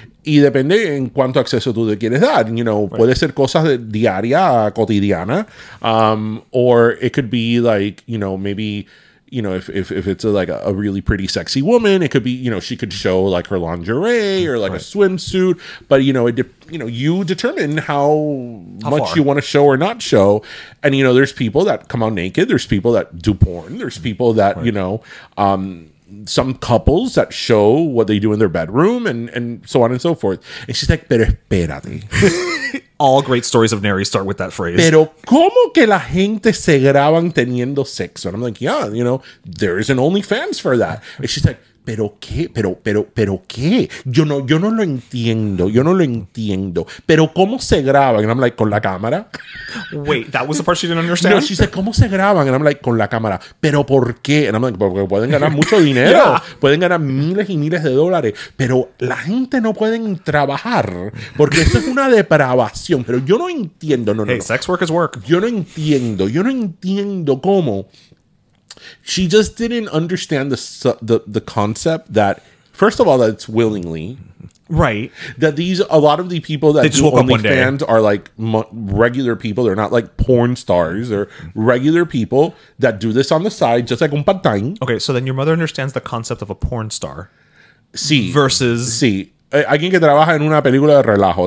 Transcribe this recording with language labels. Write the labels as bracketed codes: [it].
[es] Y depende en cuánto acceso tú te quieres dar. [en] You know, right. [es] Puede ser cosas de diaria, cotidiana. [en] Or it could be like, you know, maybe... You know, if it's a really pretty sexy woman, it could be, you know, she could show like her lingerie or like right. a swimsuit. But, you know, you determine how much far. You want to show or not show. And, you know, there's people that come out naked. There's people that do porn. There's people that, right. you know, some couples that show what they do in their bedroom and so on and so forth. And she's like, [es] pero espérate. [en] All great stories of Nery start with that phrase. [es] Pero como que la gente se graban teniendo sexo? [en] And I'm like, yeah, you know, there is an OnlyFans for that. And she's like, [es] pero qué, pero qué? Yo no lo entiendo. Yo no lo entiendo. Pero como se graban? [en] And I'm like, [es] con la cámara? [en] Wait, that was the part she didn't understand? [es] No, [en] she's like, [es] como se graban? [en] And I'm like, [es] con la cámara. Pero por qué? [en] And I'm like, [es] porque pueden ganar mucho dinero. Yeah. Pueden ganar miles y miles de dólares. Pero la gente no pueden trabajar. Porque eso es una depravación. Pero yo no entiendo. No, hey, no, no. [en] Sex work is work. [es] Yo no entiendo cómo... [en] She just didn't understand the concept that, first of all, that it's willingly. Right. That a lot of the people that do OnlyFans are like regular people. They're not like porn stars. They're regular people that do this on the side, just like un part-time. Okay, so then your mother understands the concept of a porn star. [es] Sí. [en] Versus... [es] Sí. Alguien que trabaja en una película de relajo.